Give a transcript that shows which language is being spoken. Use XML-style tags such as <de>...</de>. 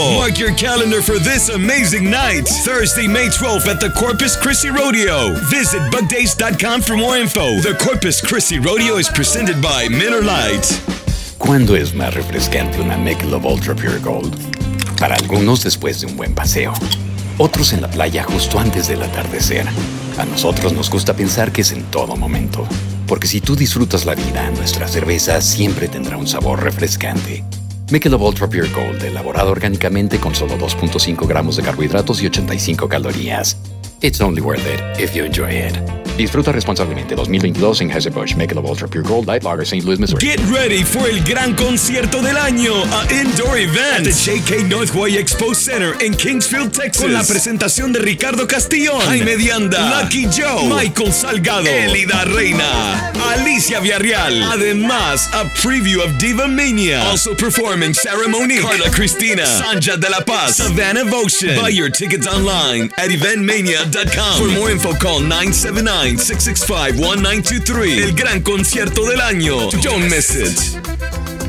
<en>Mark your calendar for this amazing night, Thursday, May 12th at the Corpus Christi Rodeo. Visit bugdays.com for more info. The Corpus Christi Rodeo is presented by Miller Lite.</en> <es>¿Cuándo es más refrescante una Michelob Ultra Pure Gold? Para algunos después de un buen paseo. Otros en la playa justo antes del atardecer. A nosotros nos gusta pensar que es en todo momento. Porque si tú disfrutas la vida, nuestra cerveza siempre tendrá un sabor refrescante. Michelob Ultra Pure Gold, elaborado orgánicamente con solo 2.5 gramos de carbohidratos y 85 calorías.</es> <en>It's only worth it if you enjoy it.</en> <es>Disfruta responsablemente 2022 en Anheuser-Busch Michelob Ultra Pure Gold Light Lager, St. Louis, Missouri.</es> <en>Get ready for</en> <es>el gran concierto del año,</es> <en>an indoor event at the J.K.</en> <es>Northway Expo Center in Kingsfield, Texas. Con la presentación de Ricardo Castillón, Jaime Dianda, Lucky Joe, Michael Salgado, Elida Reina, Alicia Villarreal. Además,</es> <en>a preview of Diva Mania. Also performing Ceremony, Carla Cristina, Sanja de la Paz, Savannah Votion. Buy your tickets online at eventmania.com. For more info, call 979.</en> <es>9-665-1923. El gran concierto del año.</es> <en>Don't miss it.</en>